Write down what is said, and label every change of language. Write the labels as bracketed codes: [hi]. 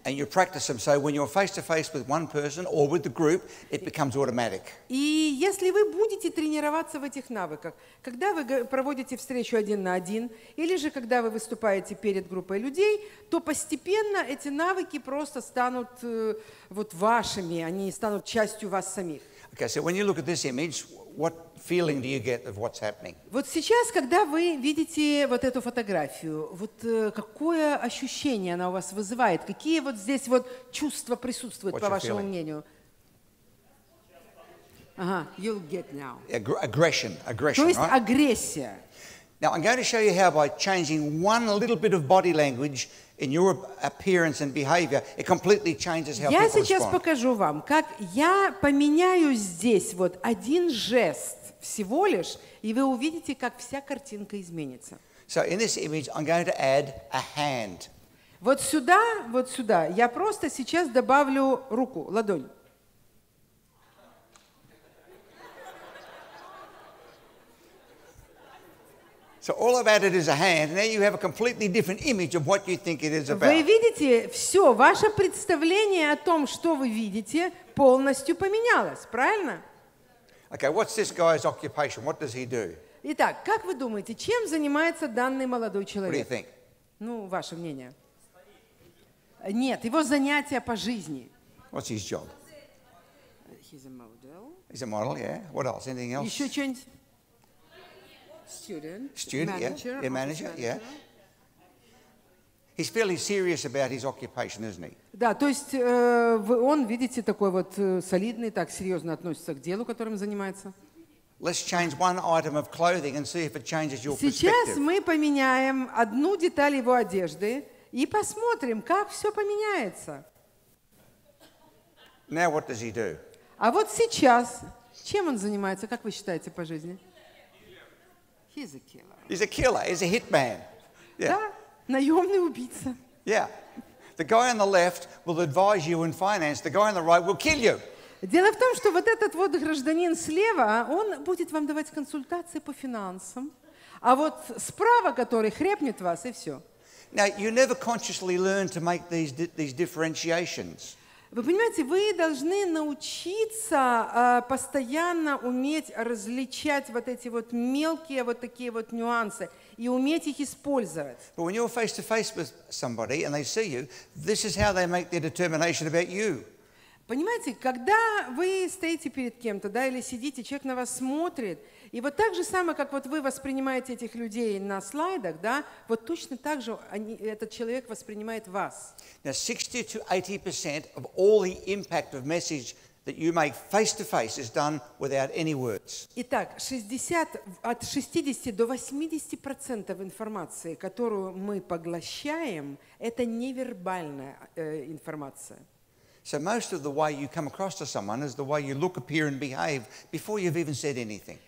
[en] And you practice them, so when you're face to face with one person or with the group, it becomes automatic. [ru] И если вы будете тренироваться в этих навыках, когда вы проводите встречу один на один, или же когда вы выступаете перед группой людей, то постепенно эти навыки просто станут вот вашими, они станут частью вас самих. [en] Okay, so when you look at this image, what feeling do you get of what's happening? [ru] Вот сейчас, когда вы видите вот эту фотографию, вот какое ощущение она у вас вызывает? Какие вот здесь вот чувства присутствуют, по вашему мнению? [en] Ага, you'll get now. Aggression, [ru] right? То есть агрессия. [en] Now I'm going to show you how by changing one little bit of body language in your appearance and behavior, it completely changes how people respond. [ru] Я сейчас покажу вам, как я поменяю здесь вот один жест всего лишь, и вы увидите, как вся картинка изменится. [en] So in this image, I'm going to add a hand. [ru] Вот сюда, я просто сейчас добавлю руку, ладонь. [en] So all I've added is a hand, and now you have a completely different image of what you think it is about. [ru] Вы видите, все ваше представление о том, что вы видите, полностью поменялось, правильно? [en] Okay, what's this guy's occupation? What does he do? [ru] Итак, как вы думаете, чем занимается данный молодой человек? [en] What do you think? [ru] Ну, ваше мнение. Нет, его занятия по жизни. [en] What's his job? He's a model. He's a model, yeah. What else? Anything else? [ru] Еще что-нибудь? [en] Student, manager, yeah, manager, yeah. He's fairly serious about his occupation, isn't he? [ru] Да, то есть он, видите, такой вот солидный, так серьезно относится к делу, которым занимается. [en] Let's change one item of clothing and see if it changes your perspective. [ru] Сейчас мы поменяем одну деталь его одежды и посмотрим, как все поменяется. [en] Now what does he do? [ru] А вот сейчас чем он занимается? Как вы считаете по жизни? [en] He's a killer. He's a hitman. [ru] Yeah. Да, наемный убийца. [en] Yeah. The guy on the left will advise you in finance. The guy on the right will kill you. [ru] Дело в том, что вот этот вот гражданин слева, он будет вам давать консультации по финансам, а вот справа, который хрепнет вас и все. [en] Now you never consciously learn to make these differentiations. [ru] Вы понимаете, вы должны научиться постоянно уметь различать вот эти вот мелкие вот такие вот нюансы и уметь их использовать. [en] But when you're face to face with somebody and they see you, this is how they make their determination about you. [ru] Понимаете, когда вы стоите перед кем-то, да, или сидите, человек на вас смотрит, и вот так же самое, как вот вы воспринимаете этих людей на слайдах, да, вот точно так же этот человек воспринимает вас. [en] Now 60-80% of all the impact of message that you make face to face is done without any words. [ru] Итак, от 60 до 80% информации, которую мы поглощаем, это невербальная информация. [en] So most of the way you come across to someone is the way you look, appear, and behave before you've even said anything.